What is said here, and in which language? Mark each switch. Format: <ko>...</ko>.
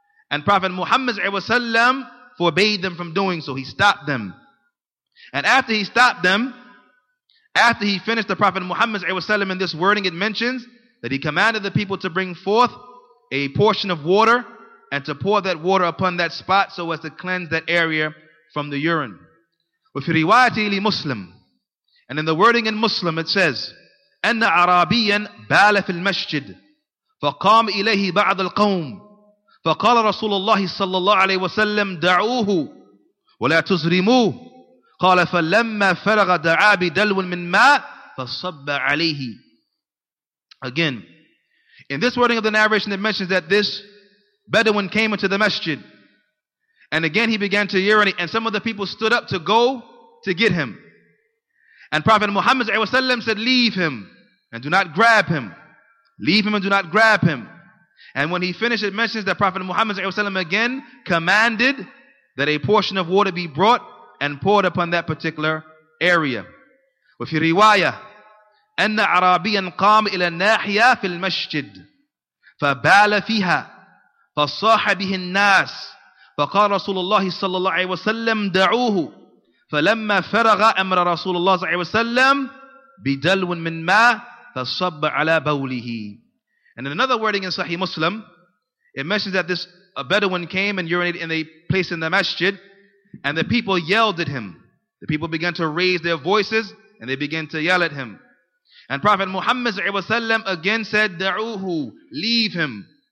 <en>And Prophet Muhammad ﷺ forbade them from doing so. He stopped them. And after he stopped them, after he finished the Prophet Muhammad ﷺ in this wording, it mentions that he commanded the people to bring forth a portion of water and to pour that water upon that spot so as to cleanse that area from the urine.</en> <ar>وفي روايتي لمسلم,</ar> <en>and in the wording in Muslim, it says,</en> <ar>أن عربيا بال في المسجد فقام إليه بعض القوم فقال رسول الله صلى الله عليه وسلم دعوه ولا تزرموه قال فلما فرغ دعا بدلو من ماء فصب عليه.</ar> <en>Again, in this wording of the narration, it mentions that this Bedouin came into the masjid and again he began to urinate and some of the people stood up to go to get him. And Prophet Muhammad ﷺ said, leave him and do not grab him. Leave him and do not grab him. And when he finished, it mentions that Prophet Muhammad ﷺ again commanded that a portion of water be brought and poured upon that particular area.</en> <ar>وفي رواية أن عربيا قام إلى ناحية في المسجد فبال فيها فصاح به الناس فقال رسول الله صلى الله عليه وسلم دعوه فلما فرغ أمر رسول الله صلى الله عليه وسلم بدلو من ماء فصب على بوله.</ar> <en>And in another wording in Sahih Muslim, it mentions that this a Bedouin came and urinated in a place in the masjid, and the people yelled at him. The people began to raise their voices and they began to yell at him. And Prophet Muhammad صلى الله عليه وسلم again said, دعوه, leave him.</en>